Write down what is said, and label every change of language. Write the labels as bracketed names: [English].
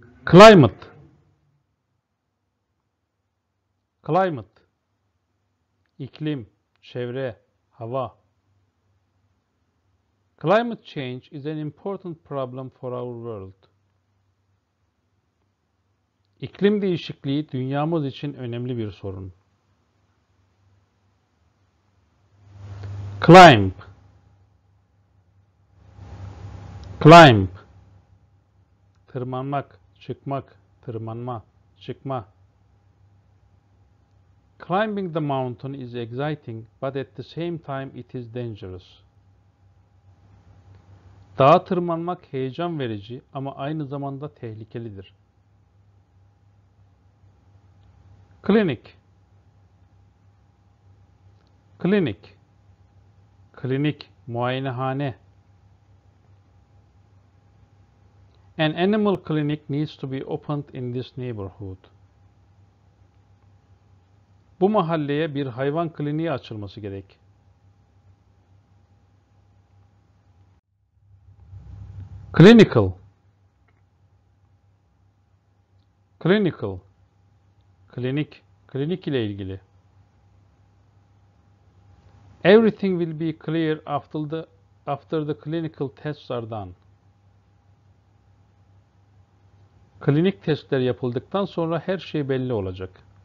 [English] Climate. [Turkish] Climate. İklim, çevre, hava. [English] Climate change is an important problem for our world. [Turkish] İklim değişikliği dünyamız için önemli bir sorun. [English] Climb. [Turkish] Climb. Tırmanmak, çıkmak, tırmanma, çıkma. [English] Climbing the mountain is exciting, but at the same time it is dangerous. [Turkish] Dağa tırmanmak heyecan verici ama aynı zamanda tehlikelidir. [English] Clinic. [Turkish] Clinic. Klinik, muayenehane. [English] An animal clinic needs to be opened in this neighborhood. [Turkish] Bu mahalleye bir hayvan kliniği açılması gerek. [English] Clinical. [Turkish] Clinical. Klinik, klinik ile ilgili. [English] Everything will be clear after the clinical tests are done. [Turkish] Klinik testler yapıldıktan sonra her şey belli olacak.